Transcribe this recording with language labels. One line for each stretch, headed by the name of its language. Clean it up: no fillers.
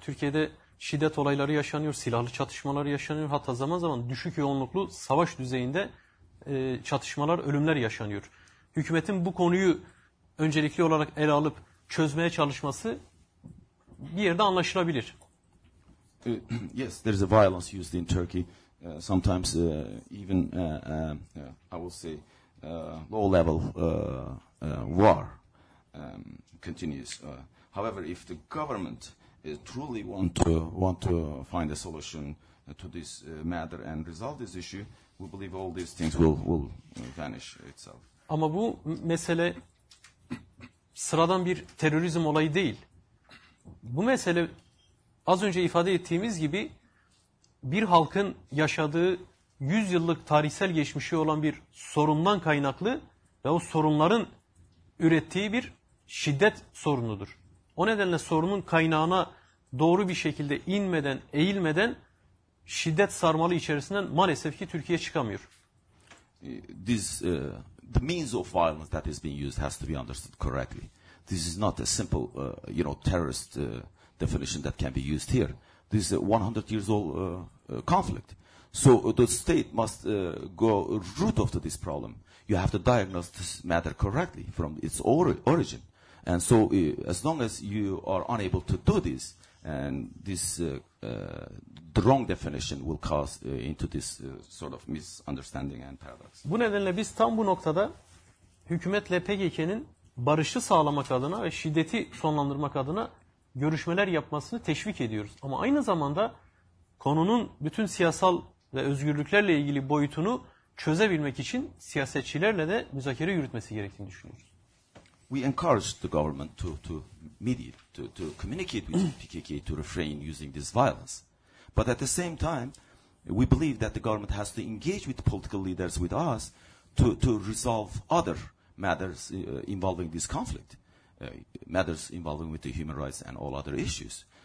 Turkish: Türkiye'de şiddet olayları yaşanıyor, silahlı çatışmalar yaşanıyor. Hatta zaman zaman düşük yoğunluklu savaş düzeyinde çatışmalar, ölümler yaşanıyor. Hükümetin bu konuyu öncelikli olarak ele alıp çözmeye çalışması bir yerde anlaşılabilir.
English: Yes, there is a violence used in Turkey. Sometimes even I will say low level war continues. However, if the government truly want to find a solution to this matter and resolve this issue, we believe all these things will vanish itself.
Turkish: Ama bu mesele sıradan bir terörizm olayı değil. Bu mesele az önce ifade ettiğimiz gibi bir halkın yaşadığı 100 yıllık tarihsel geçmişi olan bir sorundan kaynaklı ve o sorunların ürettiği bir şiddet sorunudur. O nedenle sorunun kaynağına doğru bir şekilde inmeden, eğilmeden şiddet sarmalı içerisinden maalesef ki Türkiye çıkamıyor.
English: The means of violence that is being used has to be understood correctly. This is not a simple, you know, terrorist definition that can be used here. This is a 100 years old conflict. So the state must go root of this problem. You have to diagnose this matter correctly from its origin. And so as long as you are unable to do this, and this the wrong definition will cause into this sort of misunderstanding and paradox.
Turkish: Bu nedenle biz tam bu noktada hükümetle PKK'nin barışı sağlamak adına ve şiddeti sonlandırmak adına görüşmeler yapmasını teşvik ediyoruz. Ama aynı zamanda konunun bütün siyasal ve özgürlüklerle ilgili boyutunu çözebilmek için siyasetçilerle de müzakere yürütmesi gerektiğini düşünüyoruz.
English: We encourage the government to mediate, to communicate with PKK to refrain using this violence. But at the same time, we believe that the government has to engage with political leaders, with us, to resolve other matters involving this conflict, matters involving with the human rights and all other issues.